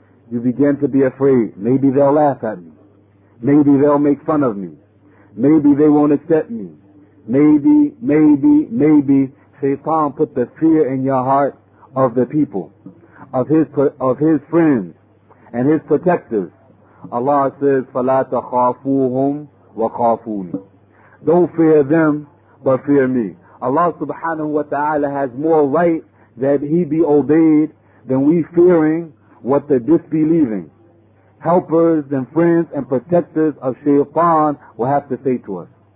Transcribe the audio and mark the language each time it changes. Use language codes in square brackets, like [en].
[en] You begin to be afraid, maybe they'll laugh at me, maybe they'll make fun of me, maybe they won't accept me, maybe, maybe, maybe. Shaitan put the fear in your heart of the people, of his friends and his protectors. Allah says, [ar] فَلَا تَخَافُوهُمْ وَخَافُونِ. [en] Don't fear them, but fear me. Allah subhanahu wa ta'ala has more right that he be obeyed than we fearing what the disbelieving helpers and friends and protectors of shaitan will have to say to us.